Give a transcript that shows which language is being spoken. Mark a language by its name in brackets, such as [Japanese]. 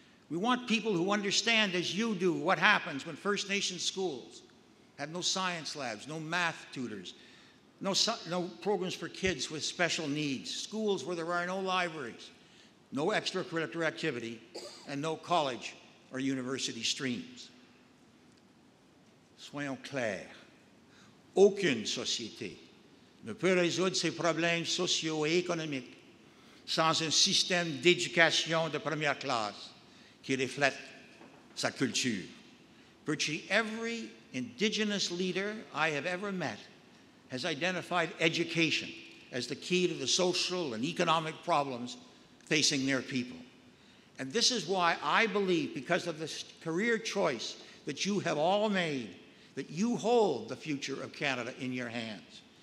[English] We want people who understand, as you do, what happens when First Nations schools have no science labs, no math tutors, no programs for kids with special needs, schools where there are no libraries, no extracurricular activity, and no college or university streams. [French] Soyons clairs. Aucune société ne peut résoudre ses problèmes sociaux et économiques sans un système d'éducation de première classe qui reflète sa culture. [English] Virtually every Indigenous leader I have ever met has identified education as the key to the social and economic problems facing their people. And this is why I believe, because of this career choice that you have all made, that you hold the future of Canada in your hands.